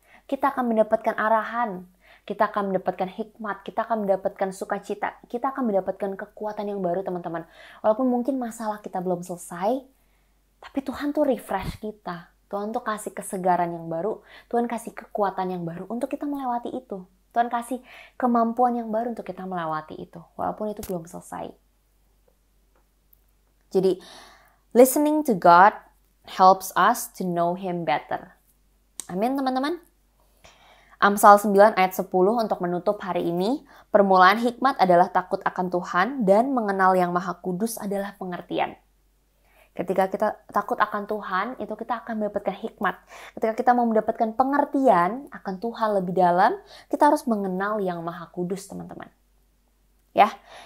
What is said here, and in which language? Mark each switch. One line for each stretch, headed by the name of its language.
Indonesian: Kita akan mendapatkan arahan, kita akan mendapatkan hikmat, kita akan mendapatkan sukacita, kita akan mendapatkan kekuatan yang baru, teman-teman. Walaupun mungkin masalah kita belum selesai, tapi Tuhan tuh refresh kita. Tuhan tuh kasih kesegaran yang baru, Tuhan kasih kekuatan yang baru untuk kita melewati itu. Tuhan kasih kemampuan yang baru untuk kita melewati itu, walaupun itu belum selesai. Jadi,
English: listening to God helps us to know Him better.
Indonesian: Amin, teman-teman. Amsal 9 ayat 10 untuk menutup hari ini. Permulaan hikmat adalah takut akan Tuhan dan mengenal Yang Maha Kudus adalah pengertian. Ketika kita takut akan Tuhan, itu kita akan mendapatkan hikmat. Ketika kita mau mendapatkan pengertian akan Tuhan lebih dalam, kita harus mengenal Yang Maha Kudus, teman-teman. Ya.